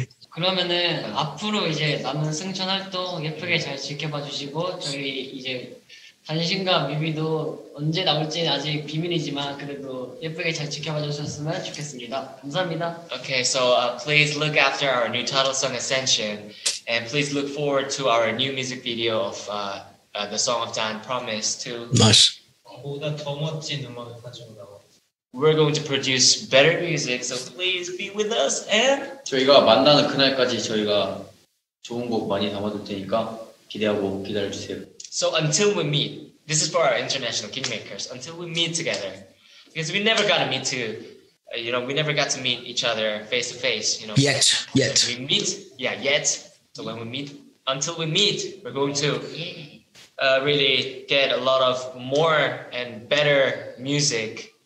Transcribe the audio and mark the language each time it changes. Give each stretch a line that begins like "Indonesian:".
Korean: 그러면은 앞으로 이제 남은 승천 활동 예쁘게 잘 지켜봐 주시고 저희 이제 단신과 뮤비도 언제 나올지 아직 비밀이지만 그래도 예쁘게 잘 지켜봐 주셨으면 좋겠습니다. 감사합니다.
English: Okay, so please look after our new title song Ascension and please look forward to our new music video of the song of Dann Promise to Nice.
Korean: 보다 더 멋진 음악을 가져온다고.
English: We're going to produce better music, so please be with us and
Korean: 저희가 만나는 그날까지 저희가 좋은 곡 많이 담아둘 테니까 기대하고 기다려 주세요.
English: So until we meet, this is for our international kingmakers, until we meet together, because we never got to meet to, you know, we never got to meet each other face to face, you know. Yet, yet. When we meet, yeah, yet. So when we meet, until we meet, we're going to really get a lot of more and better music.